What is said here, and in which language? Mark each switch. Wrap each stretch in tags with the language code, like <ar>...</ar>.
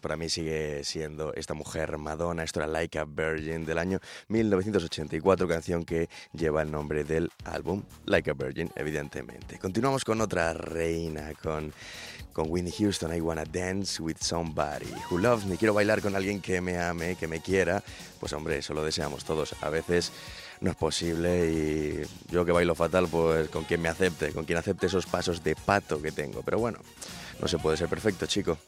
<es>Para mí sigue siendo esta mujer Madonna. Esto era Like a Virgin del año 1984, canción que lleva el nombre del álbum Like a Virgin, evidentemente. Continuamos con otra reina, con Whitney Houston.</es> <en>I wanna dance with somebody who loves me.</en> <es>Quiero bailar con alguien que me ame, que me quiera. Pues hombre, eso lo deseamos todos. A veces no es posible y yo que bailo fatal, pues con quien me acepte, con quien acepte esos pasos de pato que tengo. Pero bueno, no se puede ser perfecto, chico.</es>